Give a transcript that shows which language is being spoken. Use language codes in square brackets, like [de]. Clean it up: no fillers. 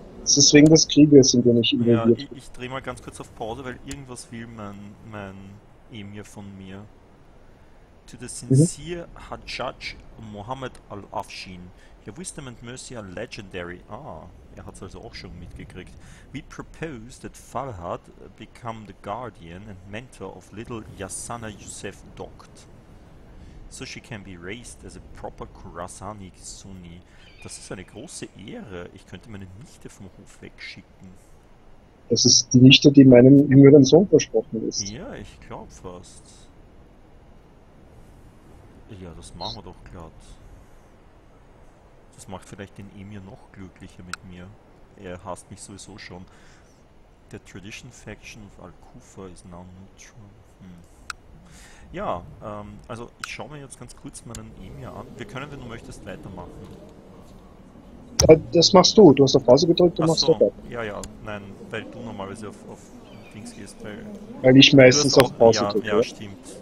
[de] Es ist wegen des Krieges, in dem ich involviert bin. Ja, ich drehe mal ganz kurz auf Pause, weil irgendwas will mein Emir von mir. [en] To the sincere Hajjaj Muhammad al-Afshin. Your wisdom and mercy are legendary. [de] Ah, er hat es also auch schon mitgekriegt. [en] We propose that Farhad become the guardian and mentor of little Yasana Yusef Dokt. So she can be raised as a proper Khorasani Sunni. [de] Das ist eine große Ehre. Ich könnte meine Nichte vom Hof wegschicken. Das ist die Nichte, die meinem jüngeren Sohn versprochen ist. Ja, ich glaube fast. Ja, das machen wir doch glatt. Das macht vielleicht den Emir noch glücklicher mit mir. Er hasst mich sowieso schon. [en] The Tradition Faction of Al-Kufa is now neutral. [de] Ja, also ich schaue mir jetzt ganz kurz meinen Emir an. Wir können, wenn du möchtest, weitermachen. Das machst du. Du hast auf Pause gedrückt, du Ach machst so. Dabei. Ja, ja. Nein, weil du normalerweise auf Dings gehst. Weil ich meistens auf Pause drücke. Ja, stimmt.